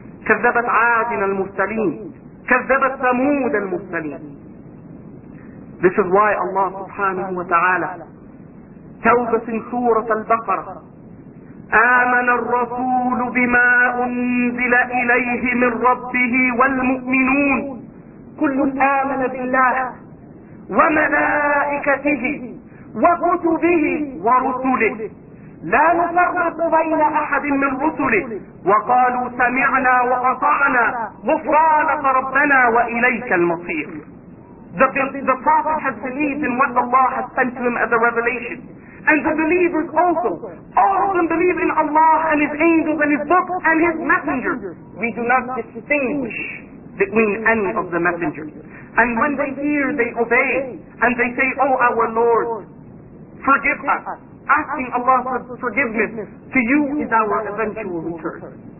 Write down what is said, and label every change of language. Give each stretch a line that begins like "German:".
Arabic: كَذَّبَتْ عَادٍ الْمُرْسَلِينَ. كَذَّبَتْ ثَمُودَ الْمُرْسَلِينَ.
English: This is why Allah subhanahu wa ta'ala tells us in Surah Al-Baqarah,
Arabic: آمَنَ الرَّسُولُ بِمَا أُنزِلَ إِلَيْهِ مِنْ رَبِّهِ وَالْمُؤْمِنُونَ. كُلُّ آمَنَ بِاللَّهِ وَمَلَائِكَتِهِ وَكُتُبِهِ وَرُسُلِهِ لَا نُفَرِّقُ بَيْنَ أَحَدٍ مِنْ رُسُلِهِ وَقَالُوا سَمِعْنَا وَأَطَعْنَا غُفْرَانَكَ رَبَّنَا وَإِلَيْكَ الْمَصِيرُ.
English: The prophet has believed in what Allah has sent to him as a revelation. and the believers also. All of them believe in Allah and His angels and His books and His messengers. We do not distinguish between any of the messengers. And when they hear, they obey. And they say, "Oh, our Lord, forgive us." Asking Allah for forgiveness to you is our eventual return.